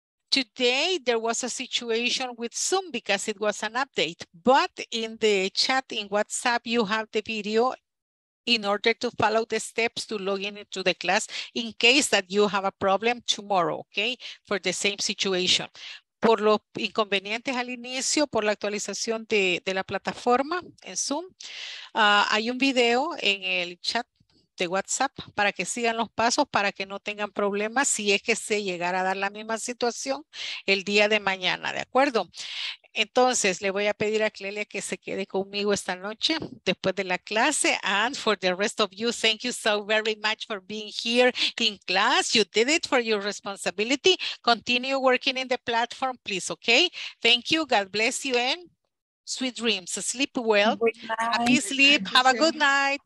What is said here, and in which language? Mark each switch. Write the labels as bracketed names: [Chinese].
[English] Today, there was a situation with Zoom because it was an update, but in the chat in WhatsApp, you have the video in order to follow the steps to log in into the class in case that you have a problem tomorrow, okay, for the same situation. [Spanish] Por los inconvenientes al inicio, por la actualización de la plataforma en Zoom, hay un video en el chat de WhatsApp para que sigan los pasos para que no tengan problemas si es que se llegara a dar la misma situación el día de mañana, ¿de acuerdo? Entonces, le voy a pedir a Clelia que se quede conmigo esta noche después de la clase. [English] And for the rest of you, thank you so very much for being here in class. You did it for your responsibility. Continue working in the platform, please, okay? Thank you. God bless you and sweet dreams. Sleep well. Happy sleep. Have a good night.